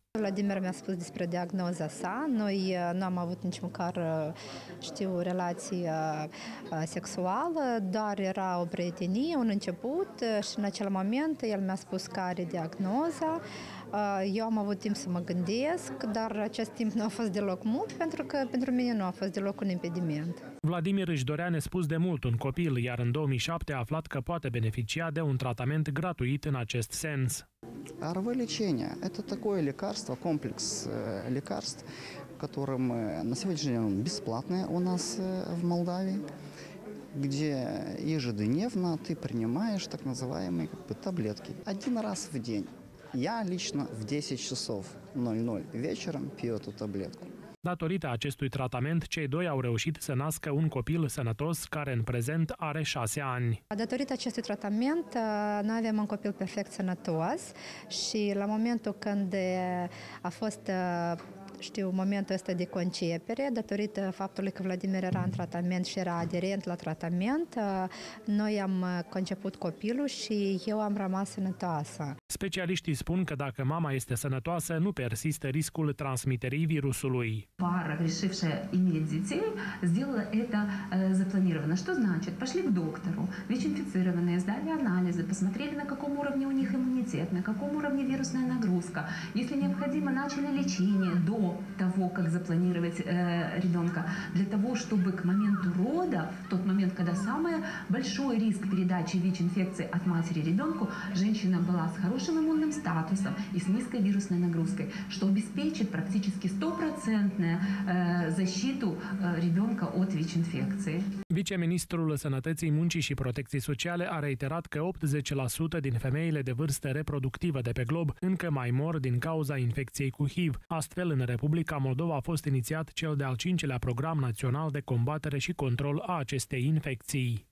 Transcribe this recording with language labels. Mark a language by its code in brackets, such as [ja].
[ro] Vladimir mi-a spus despre diagnoza sa. Noi nu am avut nici măcar, știu, relație sexuală, doar era o prietenie, un început, și în acel moment el mi-a spus că are diagnoza. Eu am avut timp să mă gândesc, dar acest timp nu a fost deloc mult, pentru că pentru mine nu a fost deloc un impediment. Vladimir își dorea nespus de mult un copil, iar în 2007 a aflat că poate beneficia de un tratament gratuit în acest sens. [ru] RV лечение – это такое лекарство, комплекс лекарств, которым на сегодняшний день бесплатное у нас в Молдавии, где ежедневно ты принимаешь так называемые как бы таблетки. Один раз в день. Я лично в 10:00 вечером пью эту таблетку. [ro] Datorită acestui tratament, cei doi au reușit să nască un copil sănătos, care în prezent are 6 ani. Datorită acestui tratament, noi avem un copil perfect sănătos și la momentul când a fost, știu, momentul ăsta de concepere, datorită faptului că Vladimir era în tratament și era aderent la tratament, noi am conceput copilul și eu am rămas sănătoasă. Specialiștii spun că dacă mama este sănătoasă, nu persistă riscul transmiterii virusului. [ru] Пара, решившая иметь детей, сделала это запланированно. Что значит? Пошли к доктору, ВИЧ-инфицированные, сдали анализы, посмотрели, на каком уровне у них иммунитет, на каком уровне вирусная нагрузка. Если необходимо, начали лечение до того, как запланировать ребенка, для того, чтобы к моменту рода, в тот момент, когда самый большой риск передачи ВИЧ-инфекции от матери ребенку, женщина была с хорошим иммунным статусом и с низкой вирусной нагрузкой, что обеспечит практически 100% защиту ребенка от ВИЧ-инфекции. [ro] Viceministrul Sănătății, Muncii și Protecției Sociale a reiterat că 80% din femeile de vârstă reproductivă de pe glob încă mai mor din cauza infecției cu HIV. Astfel, în Republica Moldova a fost inițiat cel de-al cincilea program național de combatere și control a acestei infecții.